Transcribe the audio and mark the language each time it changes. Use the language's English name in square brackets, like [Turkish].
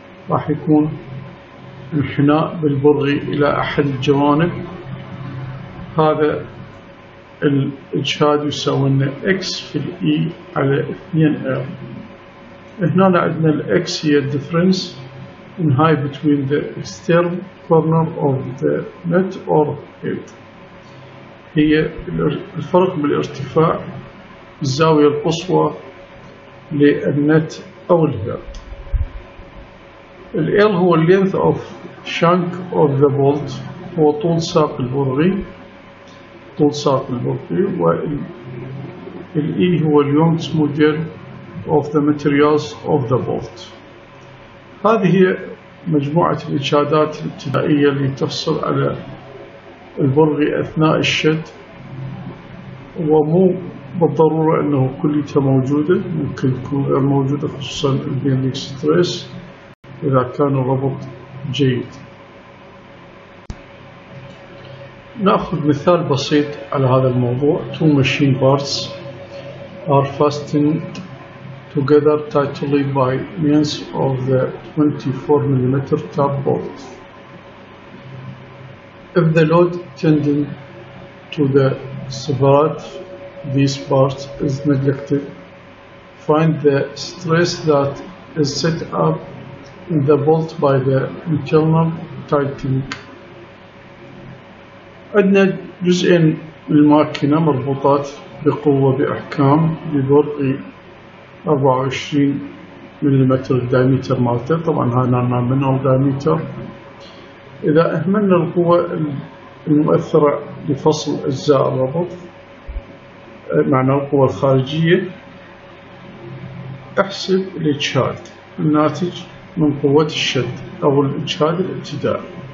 [Arabic] راح يكون انحناء بالبرغي إلى أحد الجوانب. هذا الإجهاد يساوي لنا X في الـ E على 2R. هنا عندنا الـ X هي الـ [English] difference in height between the external corner of the net or head. [Arabic] هي الفرق بالارتفاع الزاوية القصوى للنت أو الهيد. الـ L هو الـ [English] length of shank of the bolt، [Arabic] هو طول ساق البرغي، طول ساق البرغي. والـ E هو الـ [English] units model of the materials of the bolt. [Arabic] هذه هي مجموعة الإجهادات الابتدائية اللي تحصل على البرغي أثناء الشد، ومو بالضرورة أنه كليتها موجودة، ممكن تكون غير موجودة خصوصا البيندينج ستريس إذا كان الربط جيد. نأخذ مثال بسيط على هذا الموضوع. [English] Two machine parts are fastened together tightly by means of the 24 mm tap bolt. If the load tending to the separat these parts is neglected, find the stress that is set up in the bolt by the internal tightening. [Arabic] عندنا جزئين من الماكينة مربوطات بقوة بأحكام ببرغي 24 مليمتر الدايمتر مالته، طبعا هذا نومينال دايمتر. إذا أهملنا القوة المؤثرة لفصل أجزاء الربط، معنى القوة الخارجية، احسب الإجهاد الناتج من قوة الشد أو الإجهاد الابتدائي.